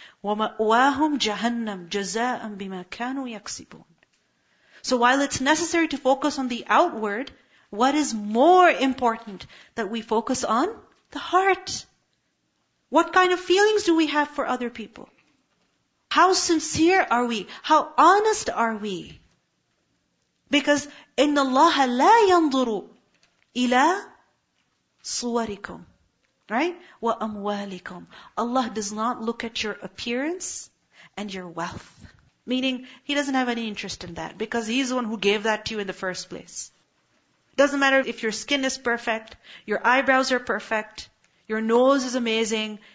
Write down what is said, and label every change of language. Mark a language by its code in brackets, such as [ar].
[ar] وَمَأْوَاهُمْ جَهَنَّمْ جَزَاءً بِمَا كَانُوا يَكْسِبُونَ. [en] So while it's necessary to focus on the outward, what is more important that we focus on? The heart. What kind of feelings do we have for other people? How sincere are we? How honest are we? Because [ar] إِنَّ اللَّهَ لَا يَنْظُرُ إِلَى صُوَرِكُمْ. [en] Right? [ar] وَأَمْوَالِكُمْ. [en] Allah does not look at your appearance and your wealth. Meaning, He doesn't have any interest in that because He's the one who gave that to you in the first place. Doesn't matter if your skin is perfect, your eyebrows are perfect, your nose is amazing.